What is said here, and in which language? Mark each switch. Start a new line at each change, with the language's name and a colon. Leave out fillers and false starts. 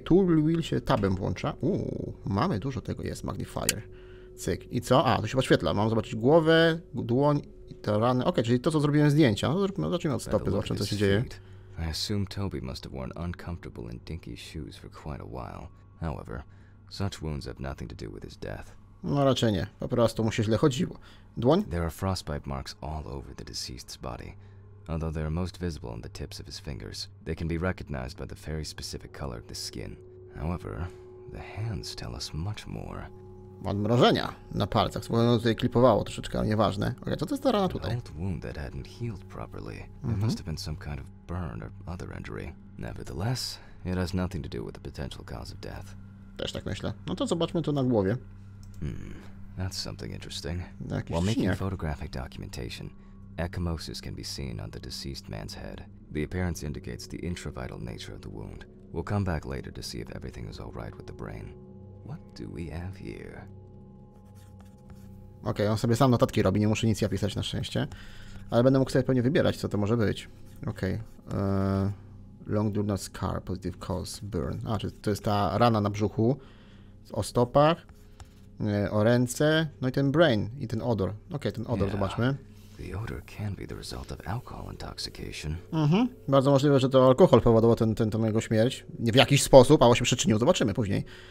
Polish: Tool wheel się tabem włącza. Mamy dużo tego. Jest magnifier. Cyk. I co? A, tu się podświetla. Mam zobaczyć głowę, dłoń i te rany. Okej. Okay, czyli to, co zrobiłem zdjęcia. No, zacznijmy od stopy. Zobaczmy, co się dzieje.
English: I assume Toby must have worn uncomfortable and dinky shoes for quite a while. However, such wounds have nothing to do with his death.
Polish: No raczej nie. Po prostu mu się źle chodziło. Dłoń?
English: There are frostbite marks all over the deceased's body. Although they are most visible on the tips of his fingers, they can be recognized by the very specific color of the skin. However, the hands tell us much more.
Polish: Odmrożenia na palcach. Słuchaj, tutaj klipowało troszeczkę, ale nieważne. Okej, co to jest ta rana tutaj?
English: An old wound that hadn't healed properly. It must have been some kind of burn or other injury. Nevertheless, it has nothing to do with the potential cause of death.
Polish: Też tak myślę. No to zobaczmy to na głowie.
English: That's something interesting. While making photographic documentation, ecchymosis can be seen on the deceased man's head. The appearance indicates the intravital nature of the wound. We'll come back later to see if everything is all right with the brain. What do we have here?
Polish: Okej, on sobie sam notatki robi, nie muszę nic ja pisać na szczęście. Ale będę mógł sobie pewnie wybierać, co to może być. Okej.
English: Long durnal scar, positive cause, burn.
Polish: A, czy to jest ta rana na brzuchu, o stopach. O ręce, no i ten brain, i ten odor. Okej, ten odor, zobaczmy.
English: The odor can be the result of alcohol intoxication.
Polish: Bardzo możliwe, że to alkohol powodował tę jego śmierć. Nie w jakiś sposób, a właśnie przyczynił. Zobaczymy później.